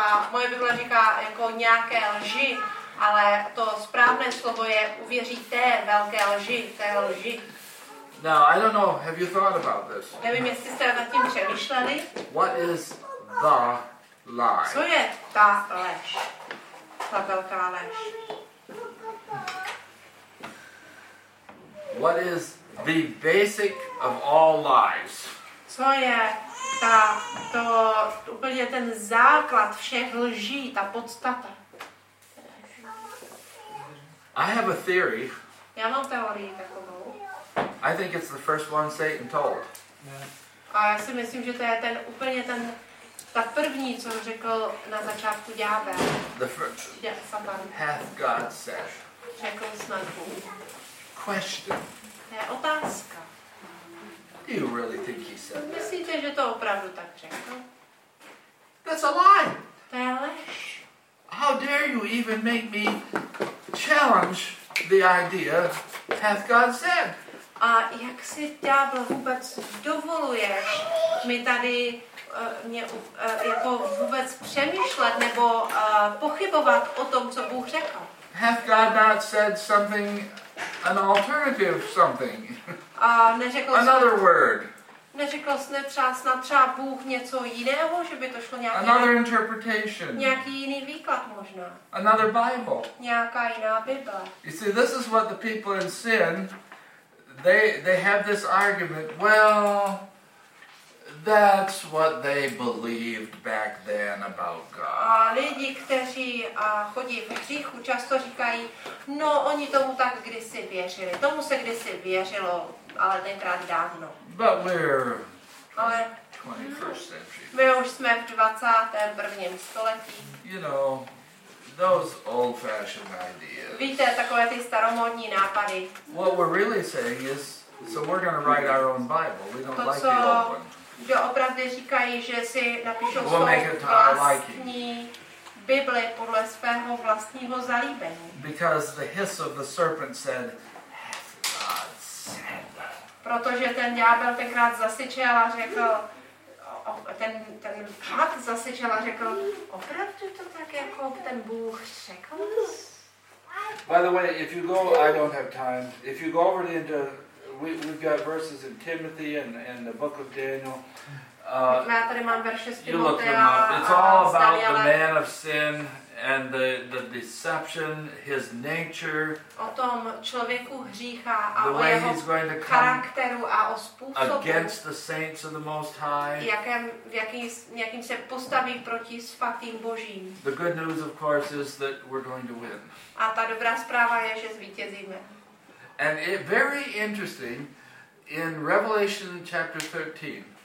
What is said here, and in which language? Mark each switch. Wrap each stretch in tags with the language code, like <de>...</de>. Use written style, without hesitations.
<cs>Moje Bible říká jako nějaké lži, ale to správné slovo je uvěří té velké lži, té lži.</cs> <en>Now, I don't know, have you thought about this?</en> <cs>Nevím, jestli jste nad tím přemýšleli.</cs> <en>What is the lie?</en> <cs>Co je ta lež? Ta velká lež.</cs> <en>What is the basic of all lies?</en> <cs>Co je to úplně ten základ všech lží, ta podstata?</cs> <en>I have a theory.</en> <cs>Já mám teorii takovou.</cs> <en>I think it's the first one Satan told. Yeah.</en> <cs>A já si myslím, že to je ten úplně ten ta první, co řekl na začátku ďábel.</cs> <en>The first. Yeah, hath God said.</en> <cs>Řekl snad Bůh.</cs> <en>Question.</en> <cs>To je otázka.</cs> <en>Do you really think he said that?</en> <cs>Myslíte, že to opravdu tak řekl?</cs> <en>That's a lie.</en> <cs>To je lež.</cs> <en>How dare you even make me challenge the idea hath God said?</en> <cs>A jak si ďábel vůbec dovoluješ mi tady jako vůbec přemýšlet nebo pochybovat o tom, co Bůh řekl?</cs> <en>Hath God not said something, an alternative something? Another word.</en> <cs>Neřekl jsi třeba Bůh něco jiného, že by to šlo nějaký.</cs> <en>Another interpretation.</en> <cs>Nějaký jiný výklad možná.</cs> <en>Another Bible.</en> <cs>Nějaká jiná Bible.</cs> <en>You see, this is what the people in sin, they have this argument. Well, that's what they believed back then about God.</en> <cs>A lidi, kteří chodí v hříchu, často říkají, no, oni tomu tak kdysi věřili. Tomu se kdysi věřilo, ale tenkrát dávno.</cs> <en>But we're 21st century.</en> <cs>My už jsme v 21. století.</cs> <en>You know, those old-fashioned ideas.</en> <cs>Víte, takové ty staromodní nápady.</cs> <en>What we're really saying is, so we're going to write our own Bible. We don't to, like the old one.</en> <cs>Že opravdu říkají, že si napíšou svou vlastní Bible podle svého vlastního zalíbení.</cs> <en>Because the hiss of the serpent said, God said.</en> <cs>Protože ten ďábel tenkrát zasyčel a řekl, ten hád zasyčel a řekl, opravdu to tak jako ten Bůh řekl?</cs> <en>By the way, if you go, I don't have time, if you go over into We've got verses in Timothy and the book of Daniel. You look them up. It's all about the man of sin and the deception, his nature.</en> <cs>O tom člověku hřícha a</cs> <en>the way</en> <cs>o jeho</cs> <en>he's going to come against the saints of the Most High.</en> <cs>Jakým se postaví proti svatým Božím.</cs> <en>The good news, of course, is that we're going to win.</en> <cs>A ta dobrá zpráva je, že zvítězíme.</cs> <en>And it very interesting in Revelation chapter 13.</en>